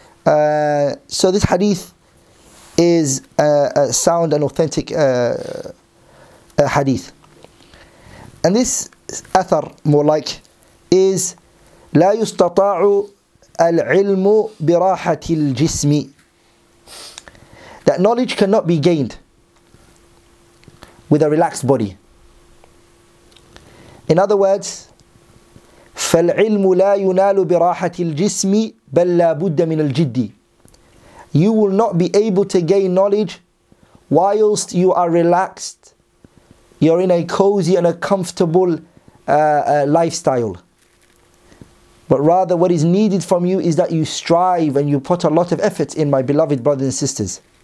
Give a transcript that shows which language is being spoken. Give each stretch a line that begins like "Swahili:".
English: So this hadith is a sound and authentic hadith. And this athar, more like, is
Arabic: لا يستطاع العلم براحة الجسم.
English: That knowledge cannot be gained with a relaxed body. In other words,
Arabic: فالعلم لا ينال براحة الجسم بل لا بد من الجد.
English: You will not be able to gain knowledge whilst you are relaxed. You're in a cozy and a comfortable lifestyle. But rather what is needed from you is that you strive and you put a lot of effort in, my beloved brothers and sisters.